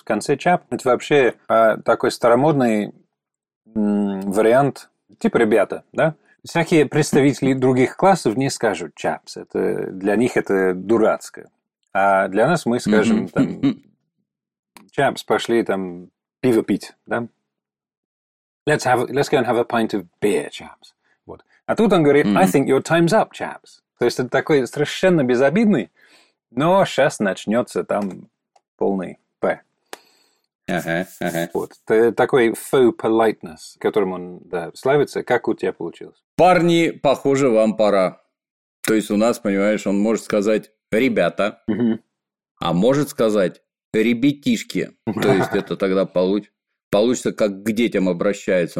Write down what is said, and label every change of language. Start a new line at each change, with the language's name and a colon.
Russian: В конце chap – это вообще такой старомодный вариант, типа ребята. Да? Всякие представители других классов не скажут chaps. Это, для них это дурацкое. А для нас мы скажем там, chaps, пошли там пиво пить, да?
English: Let's go and have a pint of beer, chaps.
Russian: Вот. А тут он говорит,
English: I think your time's up, chaps.
Russian: То есть это такой совершенно безобидный, но сейчас начнется там полный П. Вот. Это такой
English: faux politeness,
Russian: которым он славится. Как у тебя получилось? Парни, похоже, вам пора. То есть у нас, понимаешь, он может сказать «ребята», а может сказать «ребятишки», то есть это тогда получится, как к детям обращается.